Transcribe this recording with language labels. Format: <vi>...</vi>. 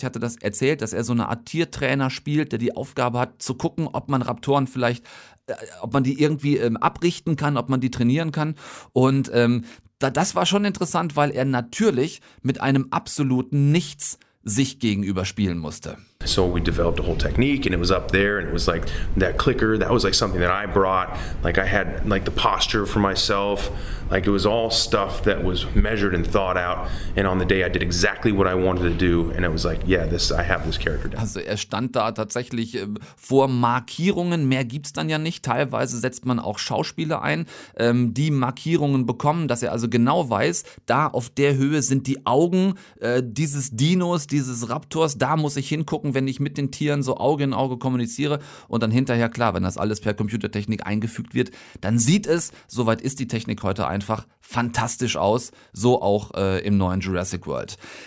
<de>Ich hatte das erzählt, dass er so eine Art Tiertrainer spielt, der die Aufgabe hat zu gucken, ob man Raptoren vielleicht, ob man die irgendwie abrichten kann, ob man die trainieren kann. Und das war schon interessant, weil er natürlich mit einem absoluten Nichts sich gegenüber spielen musste.</de> <en>So we developed a whole technique and it was up there and it was like that clicker, that was like something that I brought, like I had like the posture for myself, like it was all stuff that was measured and thought out and on the day I did exactly what I wanted to do and it was like, yeah, this, I have this character down.</en> <de>Also er stand da tatsächlich vor Markierungen, mehr gibt's dann ja nicht, teilweise setzt man auch Schauspieler ein, die Markierungen bekommen, dass er also genau weiß, da auf der Höhe sind die Augen dieses Dinos, dieses Raptors, da muss ich hingucken, wenn ich mit den Tieren so Auge in Auge kommuniziere und dann hinterher, klar, wenn das alles per Computertechnik eingefügt wird, dann sieht es, soweit ist die Technik heute einfach, fantastisch aus, so auch im neuen Jurassic World.</de>